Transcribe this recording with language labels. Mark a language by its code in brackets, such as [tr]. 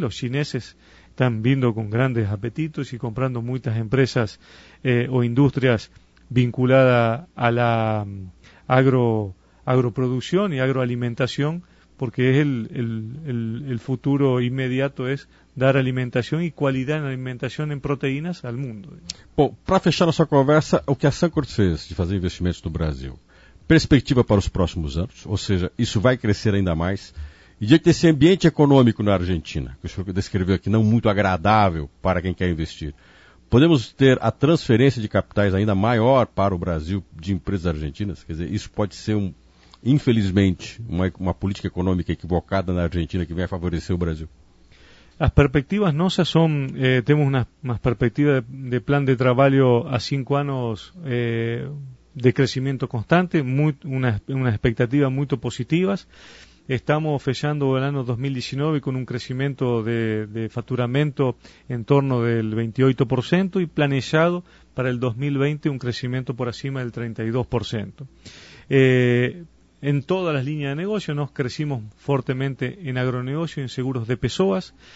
[es] Los chineses están viendo con grandes apetitos y comprando muchas empresas o industrias vinculadas a la agroproducción y agroalimentación, porque es el futuro inmediato es dar alimentación y calidad en alimentación en proteínas al mundo. [pt] Bom, para fechar nossa conversa, o que a Suncor fez de fazer investimentos no Brasil? Perspectiva para os próximos anos, ou seja, isso vai crescer ainda mais? E diante desse ambiente econômico na Argentina, que o senhor descreveu aqui, não muito agradável para quem quer investir, podemos ter a transferência de capitais ainda maior para o Brasil de empresas argentinas? Quer dizer, isso pode ser, infelizmente, uma política econômica equivocada na Argentina que vai favorecer o Brasil? As perspectivas nossas são, temos umas perspectivas de plano de trabalho a 5 anos de crescimento constante, uma expectativa muito positiva. [es] Estamos fechando el año 2019 con un crecimiento de facturamiento en torno del 28% y planeado para el 2020 un crecimiento por encima del 32%. En todas las líneas de negocio nos crecimos fuertemente en agronegocio y en seguros de personas.